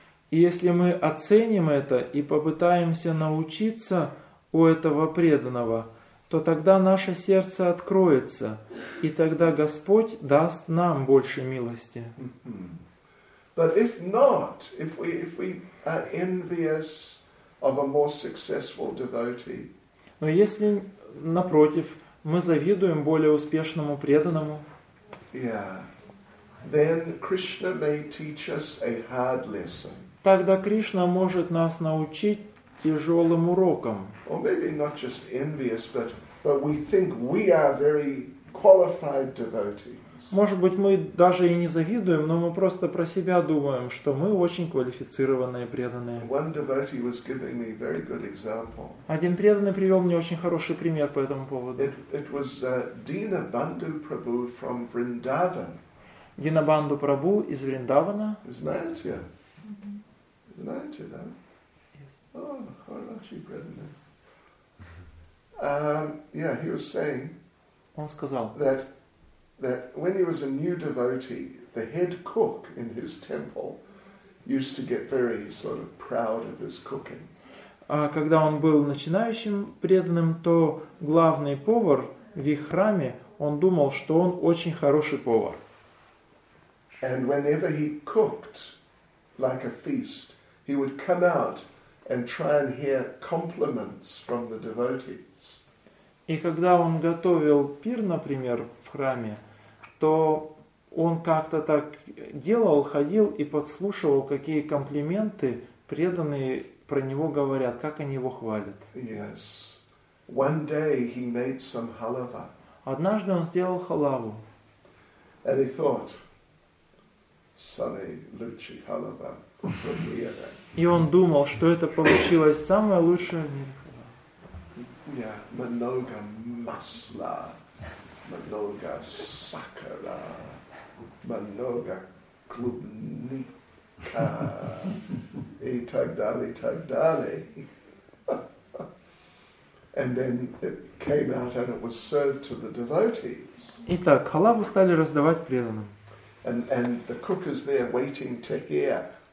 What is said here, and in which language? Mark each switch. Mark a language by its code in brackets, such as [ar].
[ru] И если мы оценим это и попытаемся научиться у этого преданного, то тогда наше сердце откроется, и тогда Господь даст нам больше милости. [en] But if not, if we are envious of a more successful devotee. [ru] Но если напротив, мы завидуем более успешному преданному. [en] Yeah. Then Krishna may teach us a hard lesson. [ru] Тогда Кришна может нас научить тяжелым уроком. [en] Or maybe not just envious, but we think we are very qualified devotees. [ru] Может быть, мы даже и не завидуем, но мы просто про себя думаем, что мы очень квалифицированные преданные. [en] One devotee was giving me very good example. [ru] Один преданный привел мне очень хороший пример по этому поводу. [en] It was Dina Bandhu Prabhu from Vrindavan. [ru] Dina Bandhu Prabhu из Вриндавана. Знаете? Знаете, да? [en] Oh, how much you bring me? Yeah, he was saying. [ru] Он сказал. [en] That when he was a new devotee, the head cook in his temple used to get very sort of proud of his cooking. [ru] А когда он был начинающим преданным, то главный повар в их храме, он думал, что он очень хороший повар. [en] And whenever he cooked like a feast, he would come out and try and hear compliments from the devotees. [ru] И когда он готовил пир, например, в храме, то он как-то так делал, ходил и подслушивал, какие комплименты преданные про него говорят, как они его хвалят. [en] Yes. One day he made some halava. [ru] Однажды он сделал халаву. [en] And he thought, sunny, luchi halava from here. [ru] И он думал, что это получилось самое лучшее в мире. Yeah, много масла, много сахара, много клубника и так далее, так далее. [en] And then it came out and it was served to the devotees. [ru] Итак, халаву стали раздавать преданным. [en] And the cook is there waiting to hear